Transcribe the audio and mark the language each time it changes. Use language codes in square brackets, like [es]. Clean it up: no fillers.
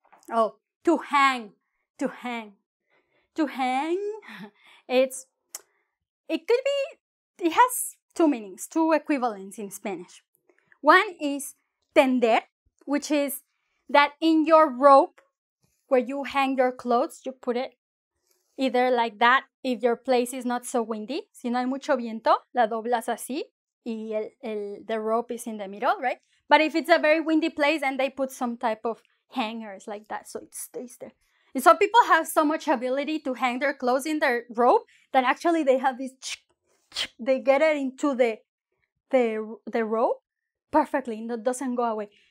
[en] Oh, to hang, to hang. To hang, it has two meanings, two equivalents in Spanish. One is tender, which is that in your rope where you hang your clothes, you put it either like that, if your place is not so windy. [es] Si no hay mucho viento, la doblas así. [en] Y the rope is in the middle, right? But if it's a very windy place, then they put some type of hangers like that. So it stays there. And some people have so much ability to hang their clothes in their rope that actually they have this... They get it into the rope perfectly. And it doesn't go away.